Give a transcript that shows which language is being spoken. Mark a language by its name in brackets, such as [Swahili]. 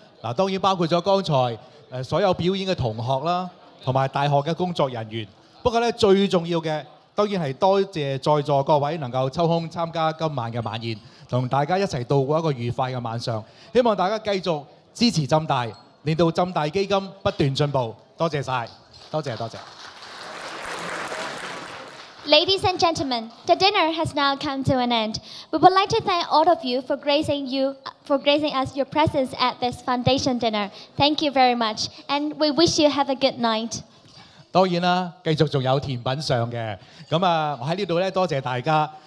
[Cantonese] 嗱，當然包括咗剛才所有表演嘅同學啦，同埋大學嘅工作人員。不過咧，最重要嘅當然係多謝在座各位能夠抽空參加今晚嘅晚宴，同大家一齊度過一個愉快嘅晚上。希望大家繼續支持浸大，令到浸大基金不斷進步。多謝曬，多謝多謝。 [English] Ladies and gentlemen, the dinner has now come to an end. We would like to thank all of you for gracing you, for gracing us your presence at this foundation dinner. Thank you very much, and we wish you have a good night. [Cantonese] 當然啦，繼續仲有甜品上嘅。咁啊，我喺呢度咧，多謝大家。